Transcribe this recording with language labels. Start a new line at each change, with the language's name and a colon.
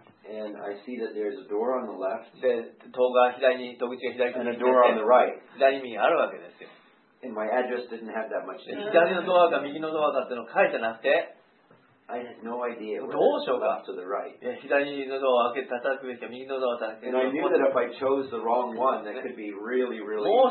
English: and I see that there's a door on the left.
Japanese: で、戸が左に、戸口が左に見えて,
English: and a door on the right.
Japanese: で、左に見えあるわけですよ.
English: And my address didn't have that much in it.
Japanese: 左のドアか右のドアかっていうのを書いてなくて,
English: I had no idea
Japanese: どうしようか?
English: Left to the right.
Japanese: で、左のドアを開け、叩くべきか右のドアを叩くべきか,
English: and I knew that if I chose the wrong one, that could be really, really